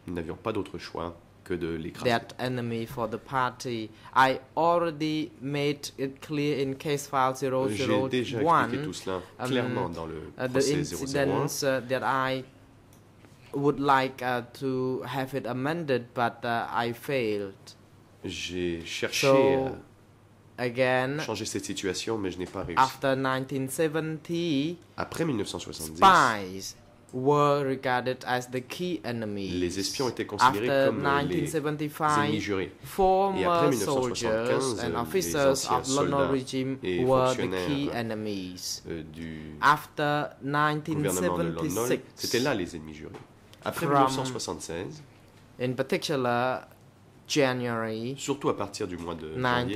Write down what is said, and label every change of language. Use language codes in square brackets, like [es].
[fr] Nous n'avions pas d'autre choix que de l'écraser. [en] That enemy for the party. I already made it clear in case file 001. [fr] J'ai déjà expliqué tout cela clairement dans le procès 001. [en] The incidents that I would like to have it amended, but I failed. [fr] J'ai cherché [en] so, again, [fr] changer cette situation, mais je n'ai pas réussi. [en] After 1970, [fr] après 1970, [en] spies were regarded as the key enemies. [fr] Les espions étaient considérés comme les ennemis jurés. [en] After 1975, former soldiers and officers of the Lonnol regime were the key enemies. After 1976, [fr] c'était là les ennemis jurés. Après 1976, [en] in particular, January, [fr] surtout à partir du mois de janvier